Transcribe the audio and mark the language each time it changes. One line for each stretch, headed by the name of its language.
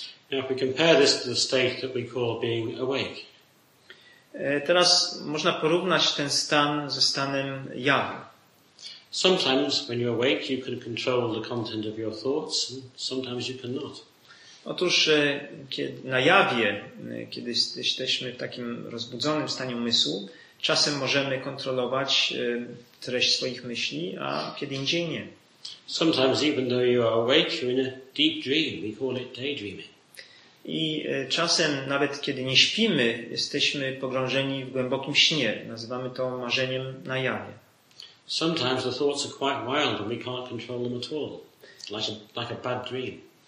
English: Now if we compare this to the state that we call being awake.
Polish: Teraz można porównać ten stan ze stanem jawy.
English: Sometimes when you're awake you can control the content of your thoughts and sometimes you cannot.
Polish: Otóż kiedy na jawie, kiedy jesteśmy w takim rozbudzonym stanie umysłu, czasem możemy kontrolować treść swoich myśli, a kiedy indziej nie.
English: Sometimes even though you are awake you're in a deep dream, we call it daydreaming.
Polish: I czasem nawet kiedy nie śpimy, jesteśmy pogrążeni w głębokim śnie, nazywamy to marzeniem na jawie.
English: Sometimes the thoughts are quite wild and we can't control them at all, like a bad dream.